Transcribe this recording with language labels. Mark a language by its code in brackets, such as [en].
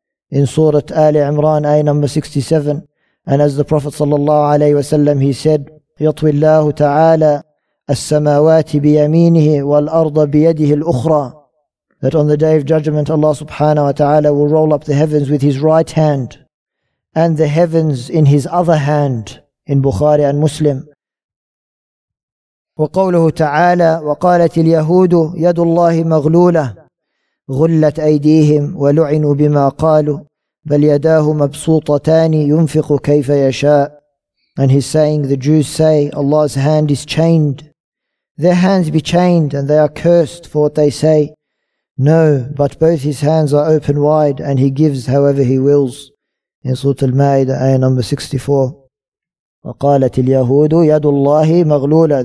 [en] In Surah Ali Imran, ayah number 67. And as the Prophet sallallahu alayhi wa sallam, he said, [ar] يطوي الله تعالى السماوات بيمينه والأرض بيده الأخرى. [en] That on the day of judgment, Allah subhanahu wa ta'ala will roll up the heavens with his right hand and the heavens in his other hand. In Bukhari and Muslim. [ar] وقوله تعالى وقالت اليهود يد الله مغلولة غلت أيديهم ولعنوا بما قالوا بل يداه مبسوطتان ينفق كيف يشاء. [en] And he's saying, the Jews say, Allah's hand is chained. Their hands be chained and they are cursed for what they say. No, but both his hands are open wide and he gives however he wills. In Surah Al-Ma'idah, ayah number 64. [ar] وَقَالَتِ الْيَهُودُ يَدُ اللَّهِ مَغْلُولَ.